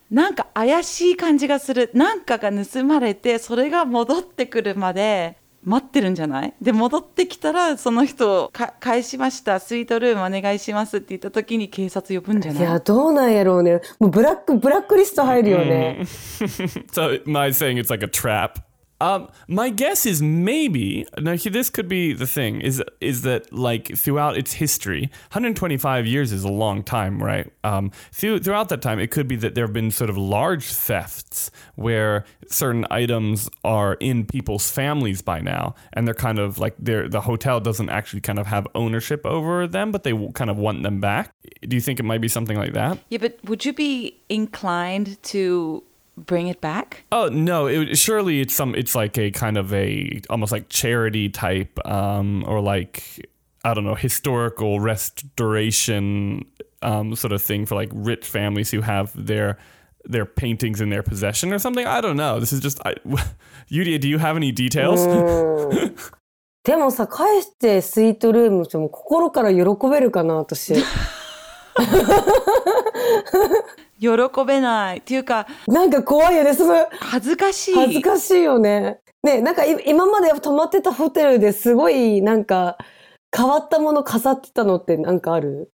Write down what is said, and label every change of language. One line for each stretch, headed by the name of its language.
Japanese: なんか怪しい感じがする。なんかが盗まれて、それが戻ってくるまで待ってるんじゃない？で戻ってきたら、その人を返しました、スイートルームお願いしますって言った時に警察呼ぶんじゃない？いや、どうなんやろうね。もうブラックリスト入るよね。
English: So my saying it's like a trap. My guess is maybe, now this could be the thing, is that like throughout its history, 125 years is a long time, right? Throughout that time, it could be that there have been sort of large thefts where certain items are in people's families by now, and they're kind of like, the hotel doesn't actually kind of have ownership over them, but they kind of want them back. Do you think it might be something like that? Yeah, but would you be inclined to bring it back? Oh no, surely it's like a kind of a almost like charity type or like, I don't know, historical restoration sort of thing for like rich families who have their paintings in their possession or something. I don't know, this is just Yurie, do you have any details?
Japanese: でもさ、返してスイートルームしても心から喜べるかな私。喜べないっていうか、なんか怖いよね、その恥ずかしい、恥ずかしいよね。ね、なんか今まで泊まってたホテルですごいなんか変わったもの飾ってたのってなんかある？